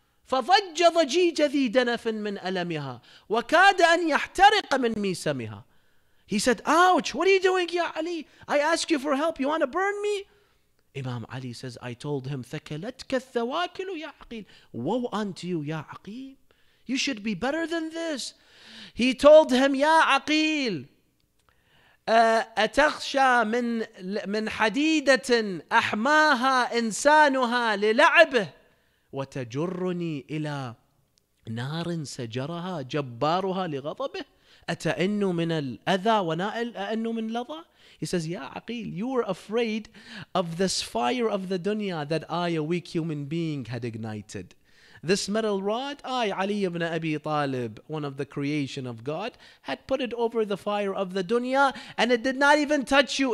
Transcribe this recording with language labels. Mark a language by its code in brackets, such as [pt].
[ar] فَضَجَّ ضَجِيجَ ذِي دَنَفٍ مِنْ أَلَمِهَا وَكَادَ أَنْ يَحْتَرِقَ مِنْ مِيسَمِهَا. [en] He said, ouch, what are you doing, Ya Ali? I ask you for help. You want to burn me? Imam Ali says, I told him, [ar] ثَكَلَتْكَ الثَّوَاكِلُ يَا عَقِيلُ. [en] Woe unto you, Ya Aqil. You should be better than this. He told him, Ya Aqil, [ar] أَتَخْشَى مِنْ حَدِيدَةٍ أَحْمَاهَا إِنسَانُهَا لِلَعْبِهِ وَتَجُرُّنِي إِلَىٰ نَارٍ سَجَرَهَا جَبَّارُهَا لِغَضَبِهِ. أَتَأَنُّ مِنَ الْأَذَى وَنَائِلْ أَأَنُّ مِنْ لَضَى. [en] He says, Ya Aqil, you were afraid of this fire of the dunya that I, a weak human being, had ignited. This metal rod, I, Ali ibn Abi Talib, one of the creation of God, had put it over the fire of the dunya and it did not even touch you.